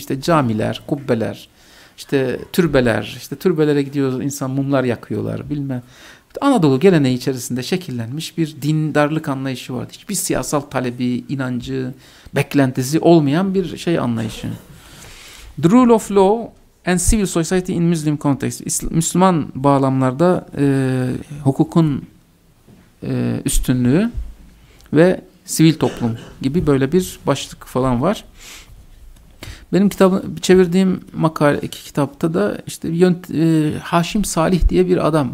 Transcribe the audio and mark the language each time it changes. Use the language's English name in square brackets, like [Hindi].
[Turkish] İşte camiler, kubbeler, işte türbeler, işte türbelere gidiyor insan, mumlar yakıyorlar, bilmem. Anadolu geleneği içerisinde şekillenmiş bir dindarlık anlayışı vardı. Hiçbir siyasal talebi, inancı, beklentisi olmayan bir şey anlayışı. [English] The rule of law and civil society in Muslim context. [Turkish] Müslüman bağlamlarda hukukun üstünlüğü ve sivil toplum gibi böyle bir başlık falan var. Benim kitabı çevirdiğim makale, iki kitapta da işte Haşim Salih diye bir adam.